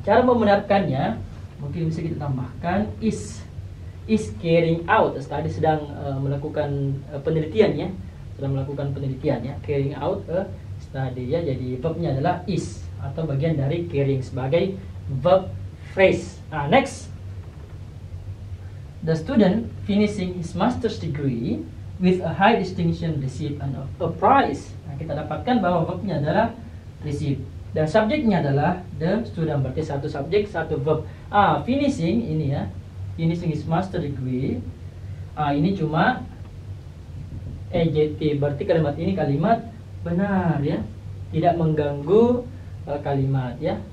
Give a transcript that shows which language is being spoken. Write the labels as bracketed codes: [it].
[id] Cara membenarkannya mungkin bisa kita tambahkan [en] is carrying out, [id] tadi sedang melakukan penelitian, ya, sedang melakukan penelitian, ya, carrying out tadi, ya, jadi verbnya adalah is atau bagian dari carrying sebagai verb phrase. [en] Nah, next, the student finishing his master's degree with a high distinction received an a prize. [id] Nah, kita dapatkan bahwa verbnya adalah receive dan subjeknya adalah the student, berarti satu subjek satu verb. Finishing ini, ya, finishing his master degree, ini cuma adjective, berarti kalimat ini kalimat benar, ya, tidak mengganggu kalimat, ya.